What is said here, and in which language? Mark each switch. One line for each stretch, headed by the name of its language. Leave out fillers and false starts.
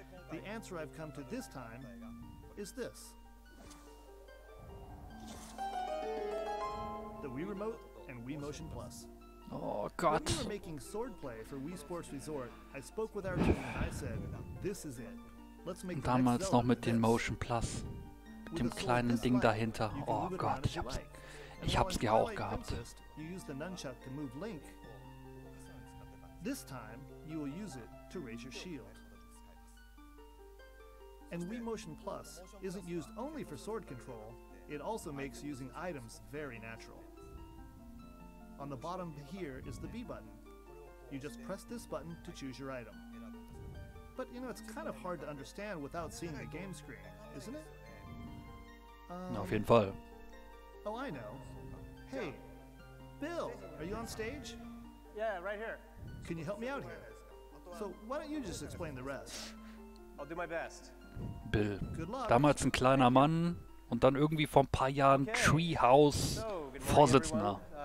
English: The answer I've come to this time is this. The Wii Remote and Wii Motion Plus.
German: Oh Gott.
English: When we were making Swordplay for Wii Sports Resort, I spoke with our team and I said, this is it. Let's make
German: damals noch mit dem Motion Plus. Mit dem kleinen Ding dahinter. Oh Gott, ich hab's ja auch gehabt.
English: You use the nunchuck to move Link. This time, you will use it to raise your shield. And Wii Motion Plus isn't used only for sword control, it also makes using items very natural. On the bottom here is the B button. You just press this button to choose your item. But you know, it's kind of hard to understand without seeing the game screen, isn't it?
German: Auf jeden Fall.
English: Oh, I know. Hey, Bill, are you on stage? Yeah, right here. Can you help me out here? So why don't you just explain the rest? I'll do my best.
German: Bill, damals ein kleiner Mann und dann irgendwie vor ein paar Jahren Treehouse Vorsitzender.